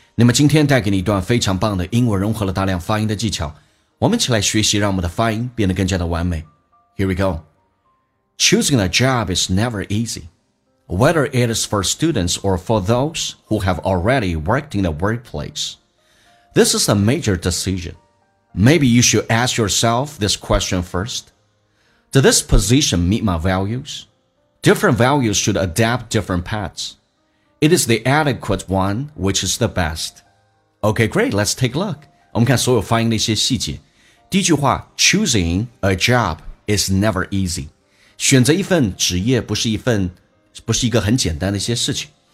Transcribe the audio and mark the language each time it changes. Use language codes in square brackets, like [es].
[zh] 那么今天带给你一段非常棒的英文，融合了大量发音的技巧，我们一起来学习，让我们的发音变得更加的完美。 [en] Here we go. Choosing a job is never easy, whether it is for students or for those who have already worked in the workplace. This is a major decision. Maybe you should ask yourself this question first. Does this position meet my values? Different values should adapt different paths. It is the adequate one which is the best. Okay, great, let's take a look. [zh] 我们看所有发音的一些细节。第一句话， [en] choosing a job is never easy. [zh] 选择一份职业不是一个很简单的一些事情。